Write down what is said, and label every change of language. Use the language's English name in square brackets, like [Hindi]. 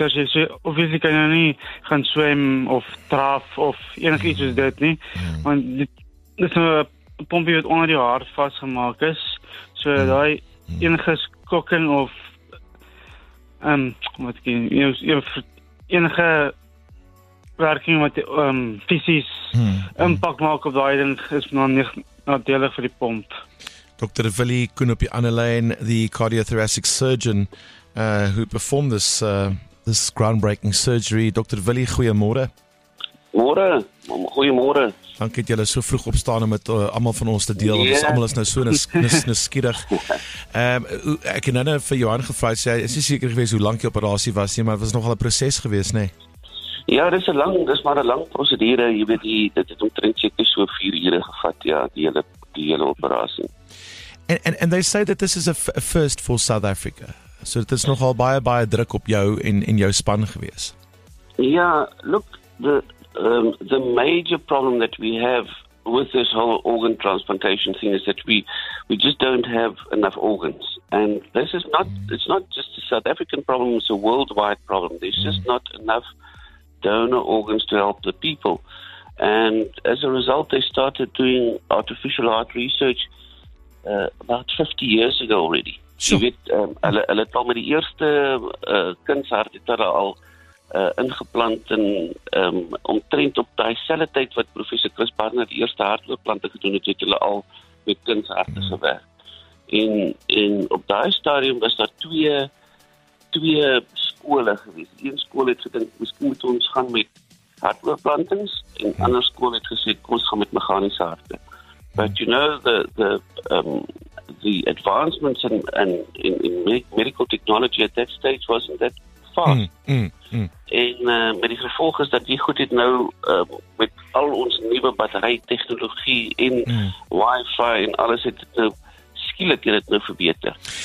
[Afrikaans] As jy so, of jy kan jou nie gaan swem of traf of enig iets soos dit nie. Want dit is nou een pompie wat onder jou hart vastgemaak is. So daai enige skokking of enige werking wat fysies impact maak op die ding is nadelig vir die pomp. [English] Dr. Willie Koen [Afrikaans] op die ander lyn, [English] the cardiothoracic surgeon who performed this groundbreaking surgery. Dr. Willie, [Afrikaans] goeiemôre. Goeiemôre. Dankie dat julle so vroeg opstaan om met almal van ons te deel. Yeah. Ons almal is nou so nuuskierig. Ek het nou vir Johan gevra, sê hy, is jy seker geweest hoe lank die operasie was nie, maar het was nogal 'n proses geweest, nê? Ja, dis maar 'n lang prosedure. Jy weet, dit het omtrent seker so 4 ure gevat, ja, die hele operasie. [English] And they say that this is a first for South Africa. [Afrikaans] So dit is nogal baie baie druk op jou en jou span geweest. [English] Ja, look, the major problem that we have with this whole organ transplantation thing is that we just don't have enough organs. And this is not, it's not just a South African problem, it's a worldwide problem. There's just not enough donor organs to help the people. And as a result, they started doing artificial heart research about 50 years ago already. Sure. [Afrikaans] Hulle het al met die eerste kindshart het hulle al ingeplant en omtrent op dieselfde tyd wat professor Chris Barnard die eerste hartoortplante gedoen het, het hulle al met kunsharte gewerk. En op daai stadium was daar twee skole gewees. Een skool het gedink, miskien moet ons gaan met hartoortplantings en ander skool het gesê, kom ons gaan met meganiese harte. [English] But you know, the advancements in medical technology at that stage wasn't that fast. [Afrikaans] En met die gevolg is dat die goed het nou met al ons nieuwe batterijtechnologie en wifi en alles het nou skielik het het nou verbeter.